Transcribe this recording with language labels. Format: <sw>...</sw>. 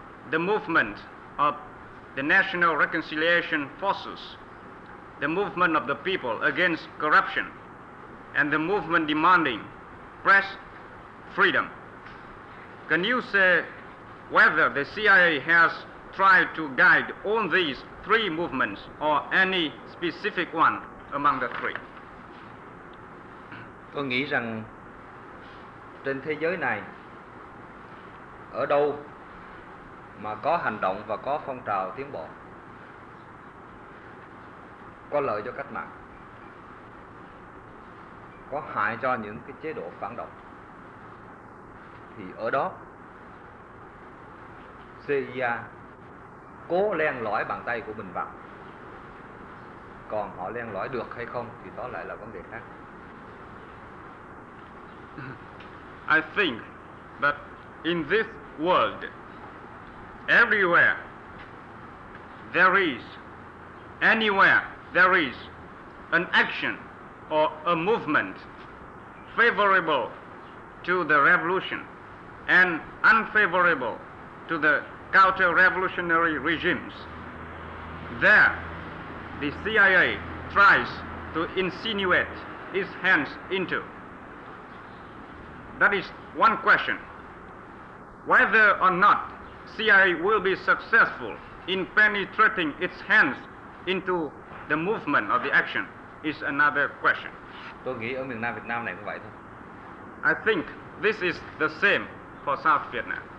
<en>The movement of the National Reconciliation Forces, the movement of the people against corruption, and the movement demanding press freedom. Can you say whether the CIA has tried to guide all these three movements or any specific one among the three?</en> <vi>Tôi nghĩ rằng trên thế giới này, ở đâu mà có hành động và có phong trào tiến bộ, có lợi cho cách mạng, có hại cho những cái chế độ phản động, thì ở đó CIA cố len lỏi bàn tay của mình vào. Còn họ len lỏi được hay không thì đó lại là vấn đề khác.</vi> <en>I think that in this world, everywhere there is, anywhere there is an action or a movement favorable to the revolution and unfavorable to the counter-revolutionary regimes, there the CIA tries to insinuate its hands into. That is one question. Whether or not CIA will be successful in penetrating its hands into the movement of the action is another question.</en> <vi>Tôi nghĩ ở miền Nam Việt Nam này cũng vậy thôi.</vi> <en>I think this is the same for South Vietnam.</en>